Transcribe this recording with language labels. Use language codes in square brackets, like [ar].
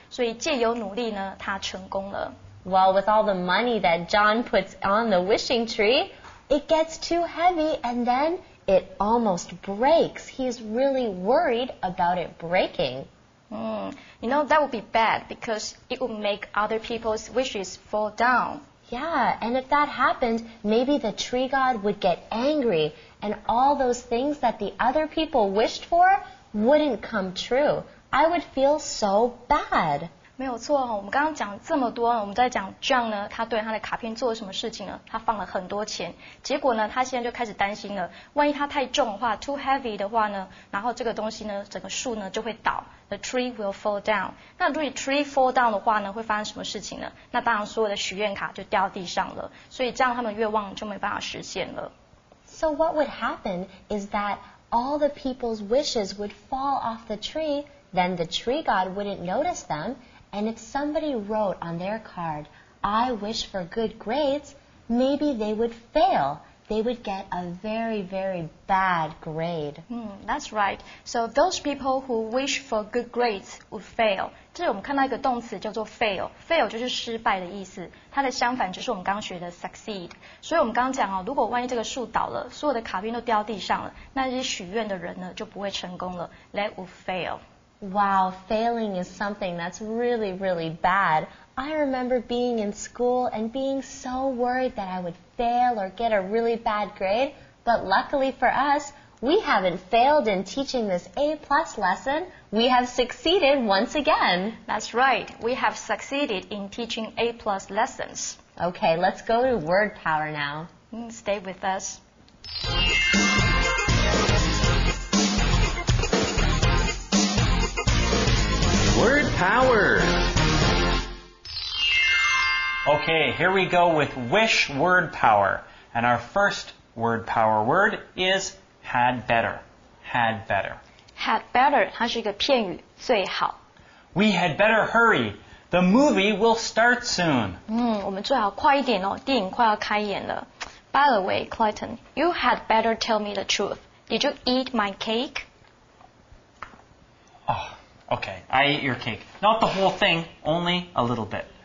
[zh] 所以借由努力呢，他成功了。 [en] Well, with all the money that John puts on the wishing tree, it gets too heavy and then it almost breaks. He's really worried about it breaking. You know, that would be bad because it would make other people's wishes fall down. Yeah, and if that happened, maybe the tree god would get angry and all those things that the other people wished for wouldn't come true. I would feel so bad. [zh] 没有错，我们刚刚讲这么多，我们在讲 John 呢，他对他的卡片做了什么事情呢？他放了很多钱，结果呢，他现在就开始担心了，万一他太重的话 ， [en] too heavy [zh] 的话呢，然后这个东西呢，整个树呢就会倒 ， [en] the tree will fall down。 [zh] 那如果 [en] tree fall down [zh] 的话呢，会发生什么事情呢？那当然所有的许愿卡就掉地上了，所以这样他们愿望就没办法实现了。 [en] So what would happen is that all the people's wishes would fall off the tree, then the tree god wouldn't notice them. And if somebody wrote on their card, I wish for good grades, maybe they would fail. They would get a very, very bad grade. That's right. So those people who wish for good grades would fail. [zh] 这里我们看到一个动词叫做 fail. Fail 就是失败的意思。它的相反就是我们刚学的 succeed. 所以我们刚讲哦，如果万一这个树倒了，所有的卡片都掉地上了，那些许愿的人呢，就不会成功了。 [en] They would fail. Wow, failing is something that's really, really bad. I remember being in school and being so worried that I would fail or get a really bad grade. But luckily for us, we haven't failed in teaching this A-plus lesson. We have succeeded once again. That's right. We have succeeded in teaching A-plus lessons. Okay, let's go to word power now. Stay with us. Word power. Okay, here we go with wish word power. And our first word power word is had better. Had better. [zh] Had better, 它是一个片语，最好。 [en] We had better hurry. The movie will start soon. [zh] 我们最好快一点哦，电影快要开演了。 [en] By the way, Clayton, you had better tell me the truth. Did you eat my cake? Oh. Okay, I ate your cake. Not the whole thing, only a little bit.